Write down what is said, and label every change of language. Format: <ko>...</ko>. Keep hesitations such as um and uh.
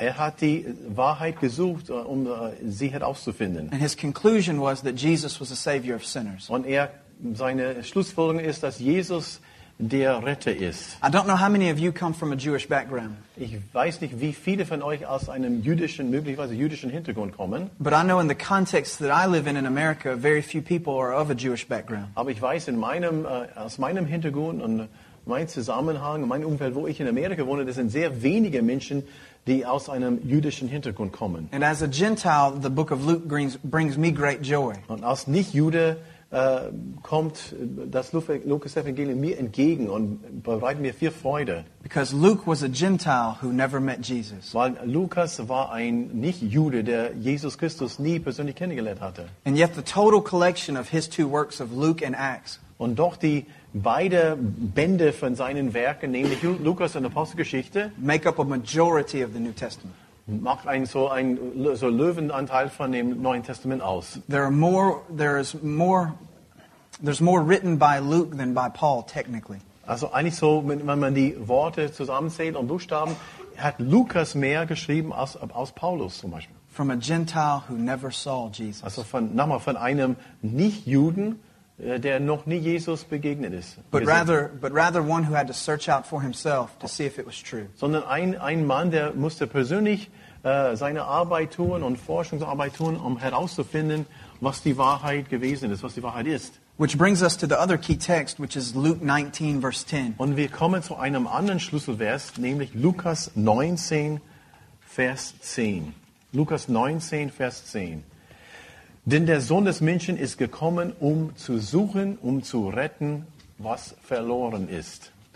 <de>Er hat die Wahrheit gesucht, um sie herauszufinden.</de> <en>And his conclusion was that Jesus was a savior of sinners.</en> <de>Und er seine Schlussfolgerung ist, dass Jesus</de> <en>I don't know how many of you come from a Jewish background.</en> <de>Ich weiß nicht, wie viele von euch aus einem jüdischen möglicherweise jüdischen Hintergrund kommen.</de> <en>But I know in the context that I live in in America, very few people are of a Jewish background.</en> <de>Aber ich weiß in meinem uh, aus meinem Hintergrund und mein Zusammenhang, mein Umfeld, wo ich in Amerika wohne, das sind sehr wenige Menschen, die aus einem jüdischen Hintergrund kommen.</de> <en>And as a Gentile, the book of Luke brings, brings me great joy.</en> <de>Und als Nichtjude äh, uh, kommt das Lukas-Evangelium mir entgegen und bereitet</de> <en>Because Luke was a Gentile who never met Jesus.</en> <de>Weil Lukas war ein Nicht-Jude, der Jesus Christus nie persönlich kennengelernt hatte.</de> <en>And yet the total collection of his two works of Luke and Acts.</en> <de>Und doch die beide Bände von works Werken, Luke and und Apostelgeschichte,</de> <en>make up a majority of the New Testament.</en> <de>macht einen so ein so Löwenanteil von dem Neuen Testament aus.</de> <en>There are more there is more there's more written by Luke than by Paul technically.</en> <de>Also eigentlich so wenn, wenn man die Worte zusammenzählt und Buchstaben hat Lukas mehr geschrieben als aus Paulus zum Beispiel.</de> <en>From a Gentile who never saw Jesus.</en> <de>Also von nochmal von einem Nichtjuden. Ist, but gesehen.</de> <en>rather, but rather one who had to search out for himself to see if it was true.</en> <de>Sondern ein, ein Mann, der musste persönlich uh, seine Arbeit tun und Forschungsarbeit tun, um herauszufinden, was die Wahrheit gewesen ist, was die Wahrheit ist.</de> <en>Which brings us to the other key text, which is Luke 19, verse 10.</en> <de>Und wir kommen zu einem anderen Schlüsselvers, nämlich Lukas 19, Vers 10. Lukas 19, Vers 10. Denn der Sohn des Menschen ist gekommen, um zu suchen, um zu retten, was verloren ist.</de>